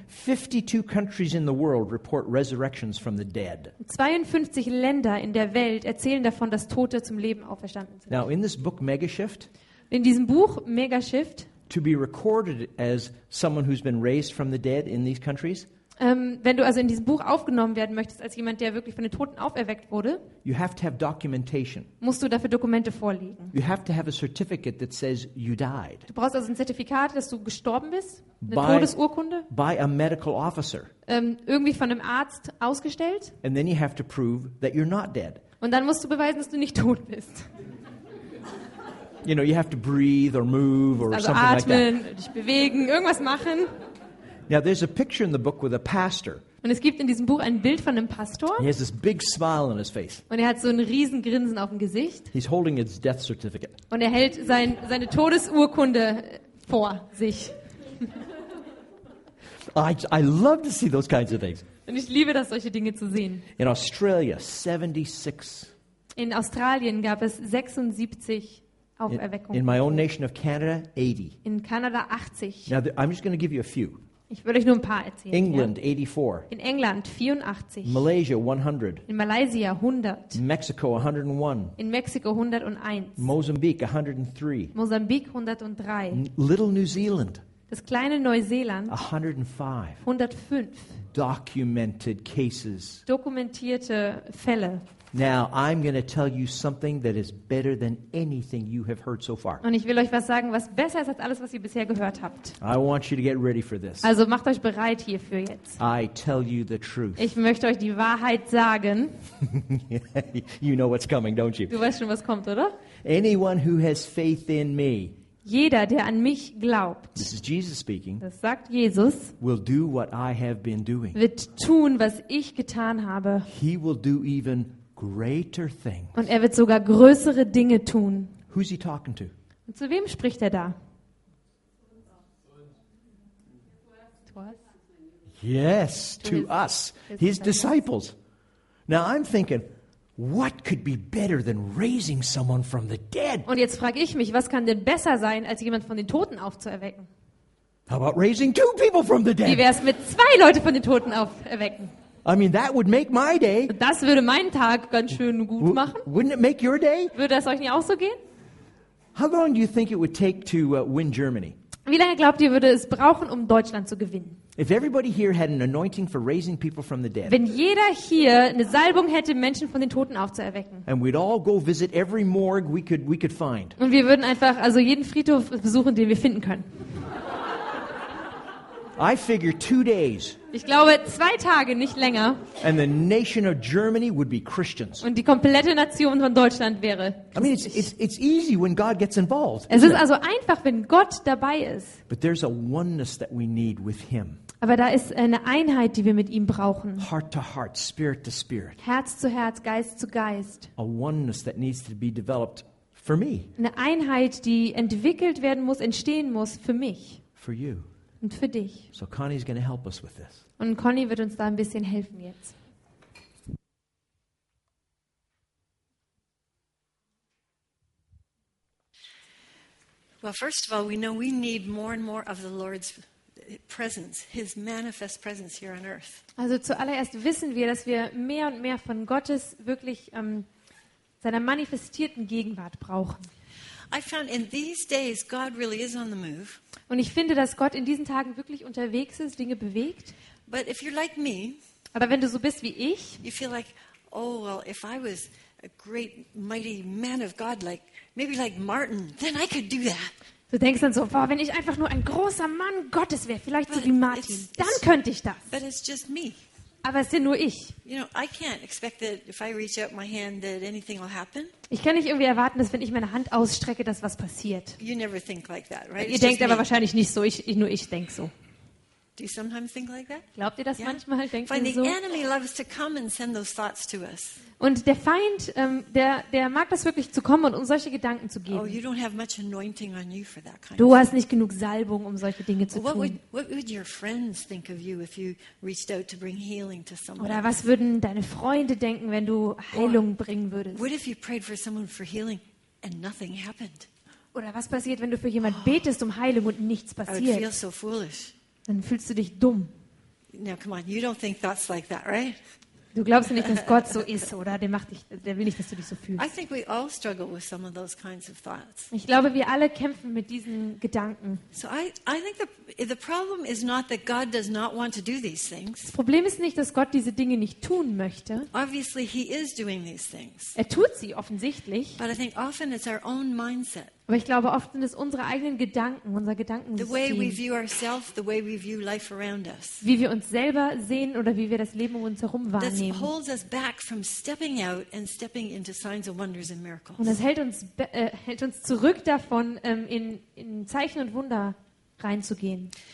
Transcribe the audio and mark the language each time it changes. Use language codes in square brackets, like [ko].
[en] 52 countries in the world report resurrections from the dead. [de] 52 Länder in der Welt erzählen davon, dass Tote zum Leben auferstanden sind. [en] Now in this book Megashift, [de] in diesem Buch Megashift, [en] to be recorded as someone who's been raised from the dead in these countries. [de] Wenn du also in diesem Buch aufgenommen werden möchtest, als jemand, der wirklich von den Toten auferweckt wurde, [en] you have to have documentation. [de] Musst du dafür Dokumente vorlegen. [en] You have to have a certificate that says you died. [de] Du brauchst also ein Zertifikat, dass du gestorben bist, eine Todesurkunde. [en] By a medical officer. [de] Irgendwie von einem Arzt ausgestellt. [en] And then you have to prove that you're not dead. [de] Und dann musst du beweisen, dass du nicht tot bist. [en] You know, you have to breathe or move or [de] also [en] something [de] atmen, [en] like that. [de] Also atmen, dich bewegen, irgendwas machen. [en] Now there's a picture in the book with a pastor. [de] Und es gibt in diesem Buch ein Bild von einem Pastor. [en] He has this big smile on his face. [de] Und er hat so ein riesen Grinsen auf dem Gesicht. [en] He's holding his death certificate. [de] Und er hält seine Todesurkunde vor sich. [en] I love to see those kinds of things. [de] Und ich liebe das, solche Dinge zu sehen. [en] In Australia, 76. [de] In Australien gab es 76 Auferweckungen. [en] In my own nation of Canada, 80. [de] In Kanada 80. [en] Now I'm just going to give you a few. [de] Ich will euch nur ein paar erzählen. [en] England, ja. 84. [de] In England 84. [en] Malaysia 100. [de] In Malaysia 100. [en] Mexico 101. [de] In Mexiko 101. [en] Mozambique 103. [de] Mosambik 103. [en] Little New Zealand. [de] Das kleine Neuseeland [en] 105. [de] 105. [en] Documented cases. [de] Dokumentierte Fälle. [en] Now I'm going to tell you something that is better than anything you have heard so far. [de] Und ich will euch was sagen, was besser ist als alles, was ihr bisher gehört habt. [en] I want you to get ready for this. [de] Also macht euch bereit hierfür jetzt. [en] I tell you the truth. [de] Ich möchte euch die Wahrheit sagen. [en] You know what's coming, don't you? [de] Du weißt schon, was kommt, oder? [en] Anyone who has faith in me. [de] Jeder, der an mich glaubt. [en] This is Jesus speaking. [de] Das sagt Jesus. [en] Will do what I have been doing. [de] Wird tun, was ich getan habe. [en] He will do even greater things. [de] Und er wird sogar größere Dinge tun. [en] Who's he talking to? [de] Und zu wem spricht er da? [en] Yes, to us. His disciples. Now I'm thinking, what could be better than raising someone from the dead? [de] Und jetzt frage ich mich, was kann denn besser sein, als jemand von den Toten aufzuerwecken? [en] How about raising two people from the dead? [de] Wie wär's mit zwei Leute von den Toten auferwecken? [en] I mean, that would make my day. [de] Das würde meinen Tag ganz schön gut machen. [en] Wouldn't it make your day? [de] Würde das euch nicht auch so gehen? [en] How long do you think it would take to win Germany? [de] Wie lange glaubt ihr, würde es brauchen, um Deutschland zu gewinnen? [en] If everybody here had an anointing for raising people from the dead. [de] Wenn jeder hier eine Salbung hätte, Menschen von den Toten aufzuerwecken. [en] And we'd all go visit every morgue we could find. [de] Und wir würden einfach also jeden Friedhof besuchen, den wir finden können. [en] I figure 2 days. [de] Ich glaube 2 Tage, nicht länger. [en] And the nation of Germany would be Christians. [de] Und die komplette Nation von Deutschland wäre. [en] I mean, it's easy when God gets involved. [de] Es ist also einfach, wenn Gott dabei ist. [en] But there's a oneness that we need with Him. [de] Aber da ist eine Einheit, die wir mit ihm brauchen. [en] Heart to heart, spirit to spirit. [de] Herz zu Herz, Geist zu Geist. [en] A oneness that needs to be developed for me. [de] Eine Einheit, die entwickelt werden muss, entstehen muss für mich. [en] For you. [de] Und für dich. [en] So Connie's going to help us with this. [de] Und Connie wird uns da ein bisschen helfen jetzt. [en] Well, first of all, we know we need more and more of the Lord's presence, his manifest presence here on earth. [de] Also zuallererst wissen wir, dass wir mehr und mehr von Gottes wirklich seiner manifestierten Gegenwart brauchen. [en] I found in these days God really is on the move. [de] Und ich finde, dass Gott in diesen Tagen wirklich unterwegs ist, Dinge bewegt. [en] But if you're like me, [de] aber wenn du so bist wie ich, [en] you feel like, oh well, if I was a great mighty man of God like maybe like Martin, then I could do that. [de] Du denkst dann so, boah, wenn ich einfach nur ein großer Mann Gottes wäre, vielleicht so wie Martin, dann könnte ich das. [en] But it's just me. [de] Aber es sind nur ich. [en] You know, I can't expect that if I reach out my hand that anything will happen. [de] Ich kann nicht irgendwie erwarten, dass wenn ich meine Hand ausstrecke, dass was passiert. [en] You never think like that, right? [de] Ihr denkt aber wahrscheinlich nicht so, nur ich denke so. [en] Do you sometimes think like that? [de] Glaubt ihr das manchmal? Denkt ihr so? [en] Find the enemy loves to come and send those thoughts to us. [de] Und der Feind, der mag das wirklich zu kommen und um solche Gedanken zu geben. [en] Oh, you don't have much anointing on you for that kind. [de] Du hast nicht genug Salbung, um solche Dinge zu tun. [en] What would your friends think of you if you reached out to bring healing to someone? [de] Oder was würden deine Freunde denken, wenn du Heilung bringen würdest? [en] What if you prayed for someone for healing and nothing happened? [de] Oder was passiert, wenn du für jemand betest um Heilung und nichts passiert? [en] I would feel so foolish. [de] Dann fühlst du dich dumm. [en] Now come on, you don't think thoughts like that, right? [de] Du glaubst nicht, dass Gott so ist, oder? Der will nicht, dass du dich so fühlst. [en] I think we all struggle with some of those kinds of thoughts. [de] Ich glaube, wir alle kämpfen mit diesen Gedanken. [en] So I think the problem is not that God does not want to do these things. [de] Das Problem ist nicht, dass Gott diese Dinge nicht tun möchte. [en] Obviously he is doing these things. [de] Er tut sie offensichtlich. [en] But I think often it's our own mindset. [de] Aber ich glaube, oft sind es unsere eigenen Gedanken, unser Gedankensystem. Wie wir uns selber sehen oder wie wir das Leben um uns herum wahrnehmen. Und das hält uns zurück davon, in Zeichen und Wunder reinzugehen.